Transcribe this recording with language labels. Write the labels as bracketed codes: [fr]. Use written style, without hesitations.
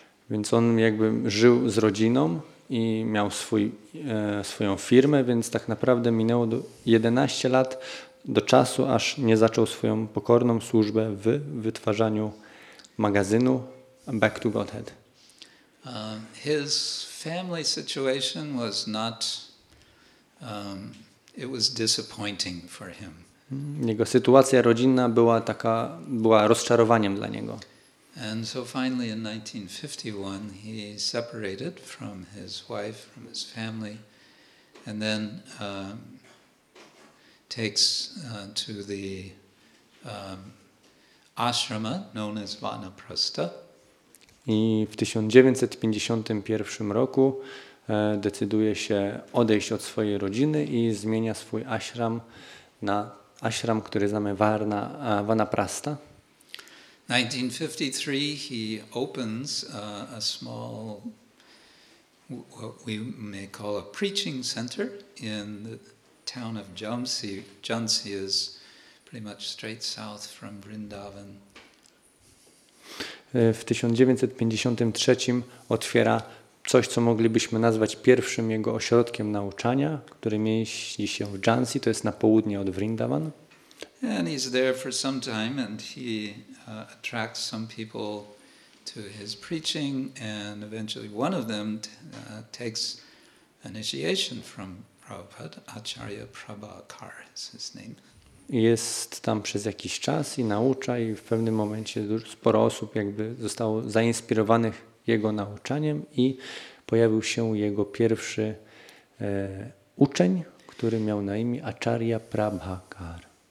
[pl] Więc on jakby żył z rodziną i miał swoją firmę, więc tak naprawdę minęło 11 lat do czasu, aż nie zaczął swoją pokorną służbę w wytwarzaniu magazynu Back to Godhead. [en] His family situation was not, it was disappointing for him. [pl] Jego sytuacja rodzinna była taka, była rozczarowaniem dla niego. [en] And so finally in 1951 he separated from his wife, from his family, and then takes to the ashrama known as Vanaprastha. [pl] I w 1951 roku decyduje się odejść od swojej rodziny i zmienia swój ashram na ashram, który znamy Varna, Vanaprastha. [en] 1953 he opens a small what we may call a preaching center in the town of Jhansi. Jhansi is pretty much straight south from Vrindavan. [pl] W 1953 otwiera coś, co moglibyśmy nazwać pierwszym jego ośrodkiem nauczania, który mieści się w Jhansi, to jest na południe od Vrindavan. [en] And he's there for some time and he attracts some people to his preaching and eventually one of them takes initiation from Prabhupada. Acharya Prabhakar is his name. [pl] Jest tam przez jakiś czas i naucza i w pewnym momencie sporo osób jakby zostało zainspirowanych jego nauczaniem i pojawił się jego pierwszy uczeń, który miał na imię Acharya Prabhakar.